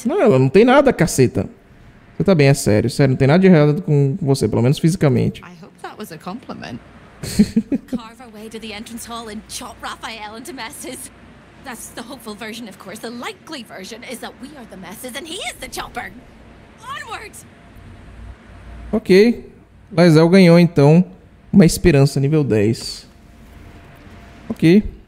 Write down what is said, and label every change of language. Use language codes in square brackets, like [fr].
[pt] Não, ela não tem nada, caceta. Você tá bem, é sério. Sério, não tem nada de errado com você, pelo menos fisicamente. [en] I hope that was a compliment. Carve our way to the entrance hall and chop Raphael into messes. That's the hopeful version, of course. The likely version is that we are the messes and he is the chopper. Onward! Ok. [pt] Lazel ganhou, então, uma esperança nível 10. Ok.